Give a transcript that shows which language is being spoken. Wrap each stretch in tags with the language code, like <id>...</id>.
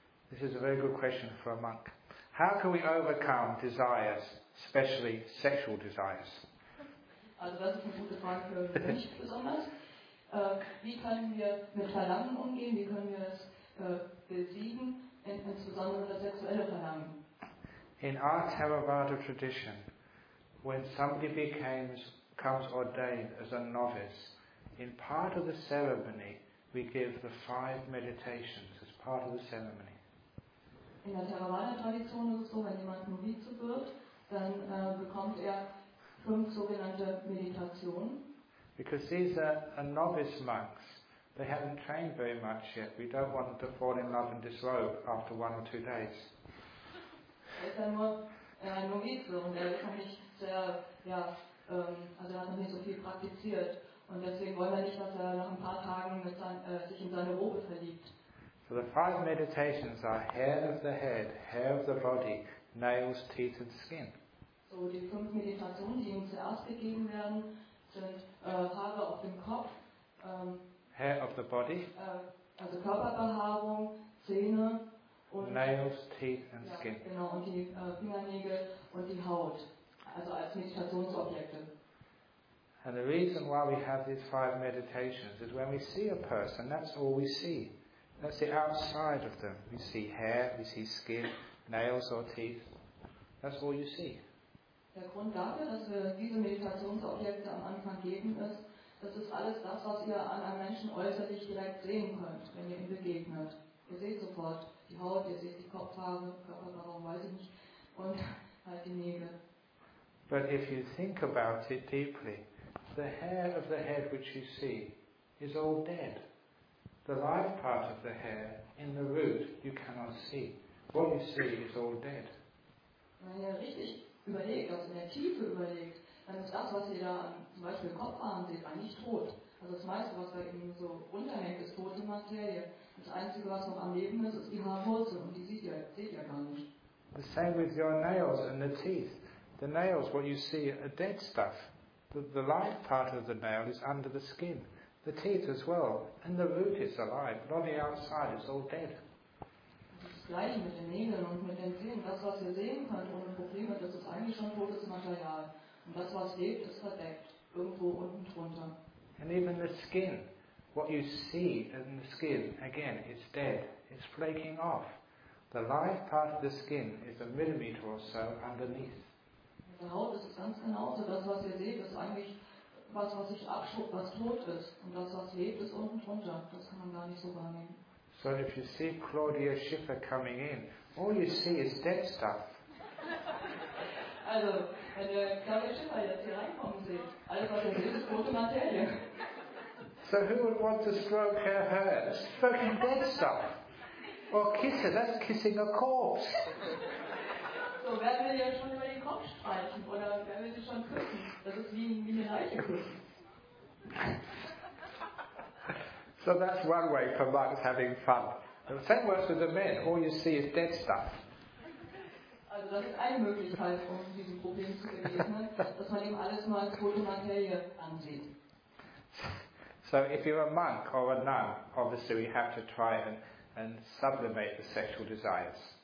<en>This is a very good question for a monk. How can we overcome desires, especially sexual desires?</en> <de>Also das ist eine gute Frage für mich besonders. Wie können wir mit Verlangen umgehen? Wie können wir es besiegen, insbesondere das sexuelle Verlangen?</de> <en>In our Theravada tradition, when somebody comes ordained as a novice, in part of the ceremony we give the five meditations as part of the ceremony.</en> <de>In der Theravada-Tradition ist es so, wenn jemand Novize wird, dann bekommt er fünf sogenannte Meditationen.</de> <en>Because these are novice monks, they haven't trained very much yet. We don't want them to fall in love and disrobe after one or two days.</en> <de>Er ist ja nur ein Novize und er kann nicht sehr, ja, also er hat noch nicht so viel praktiziert und deswegen wollen wir nicht, dass er nach ein paar Tagen sich in seine Robe verliebt.</de> <en>So the five meditations are hair of the head, hair of the body, nails, teeth and skin.</en> <de>So die fünf Meditationen, die ihm zuerst gegeben werden, sind Haare auf dem Kopf,</de> <en>hair of the body,</en> <de>also Körperbehaarung, Zähne und</de> <en>nails, teeth and skin.</en> <de>Ja, genau, und die Fingernägel und die Haut. Also als Meditationsobjekte.</de> <en>And the reason why we have these five meditations is when we see a person, that's all we see. That's the outside of them. We see hair, we see skin, nails or teeth. That's all you see.</en> <de>Der Grund dafür, dass wir diese Meditationsobjekte am Anfang geben, ist, das ist alles das, was ihr an einem Menschen äußerlich direkt sehen könnt, wenn ihr ihm begegnet. Ihr seht sofort die Haut, ihr seht die Kopfhaare, Körperbehaarung, weiß ich nicht, und halt die Nägel.</de> <en>But if you think about it deeply, the hair of the head which you see is all dead. The life part of the hair in the root you cannot see. What you see is all dead.</en> <de>Wenn ihr richtig überlegt, also in der Tiefe überlegt, dann ist das, was ihr da zum Beispiel im Kopfhaaren seht, eigentlich tot. Also das meiste, was da eben so runterhängt, ist tote Materie. Das Einzige, was noch am Leben ist, ist die Haarwurzel und die seht ihr gar nicht.</de> <en>The same with your nails and the teeth. The nails, what you see, are dead stuff. The live part of the nail is under the skin. The teeth as well. And the root is alive, but on the outside it's all dead.</en> <de>Das gleiche mit den Nägeln und mit den Zähnen. Das, was ihr sehen könnt ohne Probleme, das ist eigentlich schon totes Material. Und das, was lebt, ist verdeckt. Irgendwo unten drunter.</de> <en>And even the skin. What you see in the skin, again, it's dead. It's flaking off. The live part of the skin is a millimeter or so underneath.</en> <de>Der Haut ist es ganz genauso. Das, was ihr seht, ist eigentlich was, was sich abschubt, was tot ist. Und das, was lebt, ist unten drunter. Das kann man gar nicht so wahrnehmen.</de> <en>So if you see Claudia Schiffer coming in, all you see is dead stuff.</en> <de>Also, wenn ihr Claudia Schiffer jetzt hier reinkommen seht, alles, was ihr seht, ist tote Materie.</de> <en>So who would want to stroke her hair? It's fucking dead stuff. Or kiss her, that's kissing a corpse.</en> <de>So werden wir ja schon über den Kopf streichen oder werden wir sie schon küssen? Das ist wie eine Leiche küssen.</de> <en>So that's one way for monks having fun. The same works with the men. All you see is dead stuff.</en> <de>Also das ist eine Möglichkeit, um diesem Problem zu begegnen, dass man eben alles nur als tote Materie ansieht.</de> <en>So if you're a monk or a nun, obviously we have to try and sublimate the sexual desires.</en>